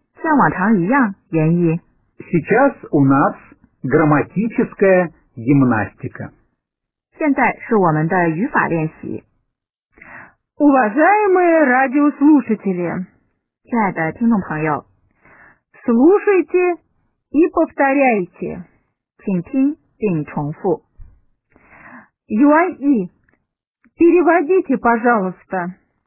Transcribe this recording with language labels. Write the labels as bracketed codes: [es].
[ru] Сейчас у нас грамматическая гимнастика. [zh] 现在是我们的语法练习。 [ru] Уважаемые радиослушатели, [zh] 亲爱的听众朋友, [ru] слушайте и повторяйте. [zh] 请听并重复。 [ru] Юань-И, переводите, пожалуйста.